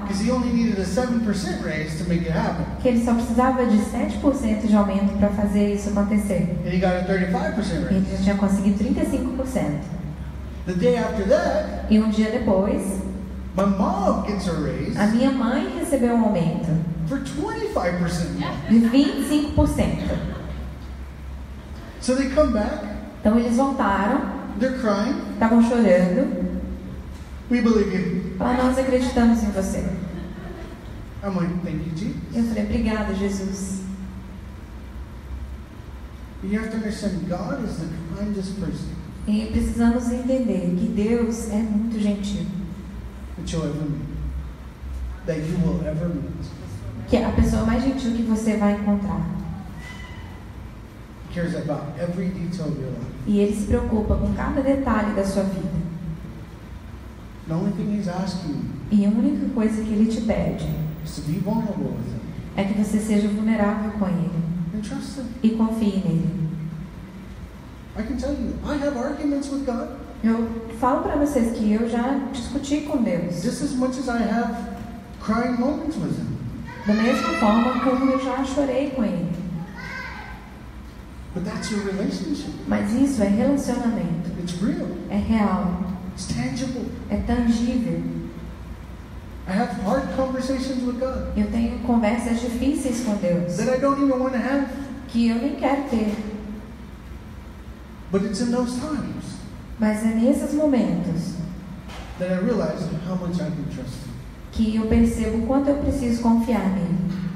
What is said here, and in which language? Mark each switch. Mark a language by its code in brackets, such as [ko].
[en] Because he only needed a 7% raise to make it happen. [pt] Que ele só precisava de 7% de aumento para fazer isso acontecer. [en] And he got a 35% raise. [pt] Ele já tinha conseguido 35%. [en] The day after that. [pt] E dia depois. [en] My mom gets a raise. [pt] A minha mãe recebeu aumento. [en] For 25%. [pt] De 25%. [en] So they come back. [pt] Então eles voltaram. [en] They're crying. [pt] Estavam chorando. [en] We believe you. [pt] Ah, nós acreditamos em você. [en] I'm like, thank you, Jesus. [pt] Eu falei, obrigada, Jesus. [en] You have to understand, God is the kindest person. [pt] E precisamos entender que Deus é muito gentil. [en] That you'll ever meet. That you will ever meet. [pt] Que é a pessoa mais gentil que você vai encontrar. [en] Cares about every detail of your life. [pt] E ele se preocupa com cada detalhe da sua vida. [en] The only thing he's asking. [pt] E a única coisa que ele te pede [en] is to be vulnerable with him. [pt] É que você seja vulnerável com ele. [en] And trust him. [pt] E confie nele. [en] I can tell you, I have arguments with God. [pt] Eu falo para vocês que eu já discuti com Deus. [en] Just as much as I have crying moments with him. [pt] Da mesma forma como eu já chorei com ele. [en] But that's your relationship. [pt] Mas isso é relacionamento. [en] It's real. [pt] É real. [en] It's tangible. [pt] É tangível. [en] I have hard conversations with God. [pt] Eu tenho conversas difíceis com Deus. [en] That I don't even want to have. [pt] Que eu nem quero ter. [en] But it's in those times. [pt] Mas é nesses momentos. [en] That I realize how much I can trust him. [pt] Que eu percebo o quanto eu preciso confiar nele.